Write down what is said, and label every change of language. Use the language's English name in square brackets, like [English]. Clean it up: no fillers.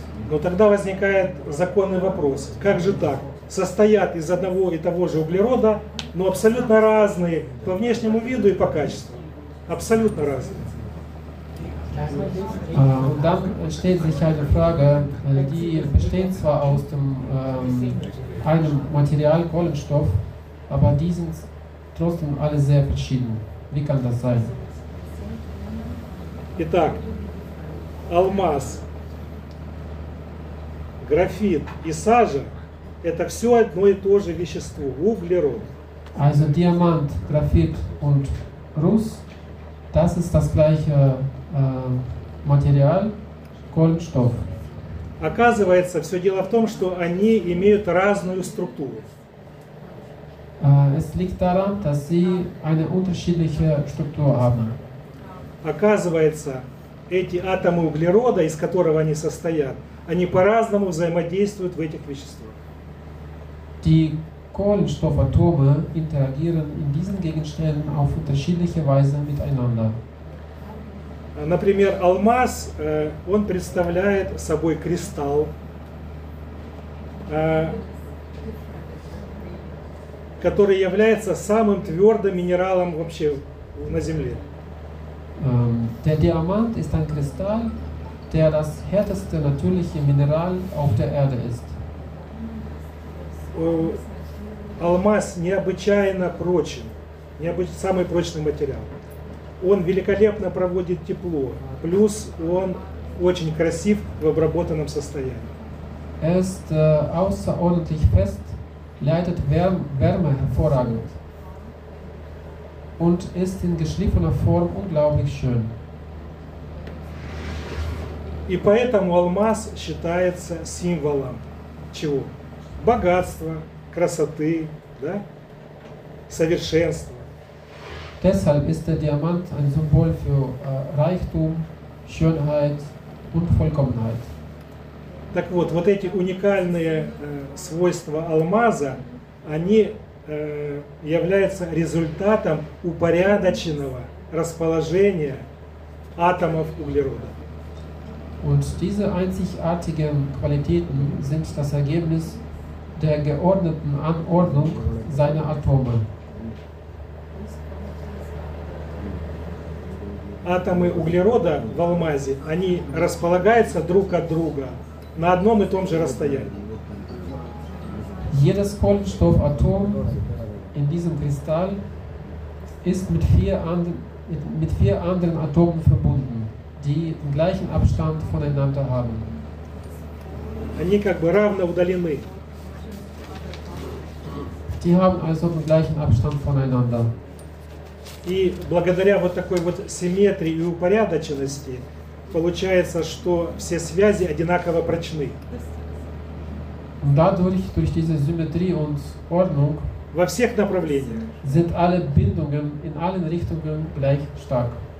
[Russian] Но тогда возникает законный вопрос. Как же так? Состоят из одного и того же углерода, но абсолютно разные по внешнему виду и по качеству. Абсолютно разные. [German] Und dann stellt sich eine Frage, die bestehen zwar aus dem einem Material Kohlenstoff, aber die sind trotzdem alle sehr verschieden. Wie kann das sein? [Russian] Итак, алмаз, графит и сажа – это все одно и то же вещество – углерод. [German] Also Diamant, Graphit und Russ – das ist das gleiche Material, Kohlenstoff. [Russian] Оказывается, все дело в том, что они имеют разную структуру. [German] Es liegt daran, dass sie eine unterschiedliche Struktur haben. [Russian] Оказывается, эти атомы углерода, из которого они состоят, они по-разному взаимодействуют в этих веществах. [German] Die Kohlenstoffatome interagieren in diesen Gegenständen auf unterschiedliche Weise miteinander. [Russian] Например, алмаз, он представляет собой кристалл, который является самым твердым минералом вообще на Земле. [German] Der Diamant ist ein Kristall, der das härteste natürliche Mineral auf der Erde ist. [Russian] Алмаз необычайно прочен, самый прочный материал. Он великолепно проводит тепло, плюс он очень красив в обработанном состоянии. [German] Er ist außerordentlich fest, leitet Wärme hervorragend und ist in geschliffener Form unglaublich schön. [Russian] И поэтому алмаз считается символом чего? Богатства, красоты, да? Совершенства. [German] Deshalb ist der Diamant ein Symbol für Reichtum, Schönheit und Vollkommenheit. [Russian] Так вот, вот эти уникальные свойства алмаза, они являются результатом упорядоченного расположения атомов углерода. [German] Und diese einzigartigen Qualitäten sind das Ergebnis der geordneten Anordnung seiner Atome. [Russian] Атомы углерода в алмазе, они располагаются друг от друга на одном и том же расстоянии. [German] Jedes Kohlenstoffatom in diesem Kristall ist mit vier anderen Atomen verbunden, die den gleichen Abstand voneinander haben. [Russian] Они как бы равно удалены. [German] Die haben also den gleichen Abstand voneinander. [Russian] И благодаря вот такой вот симметрии и упорядоченности получается, что все связи одинаково прочны. [German] Und dadurch, durch diese Symmetrie und Ordnung, [Russian] во всех направлениях, [German] sind alle Bindungen in allen Richtungen gleich stark.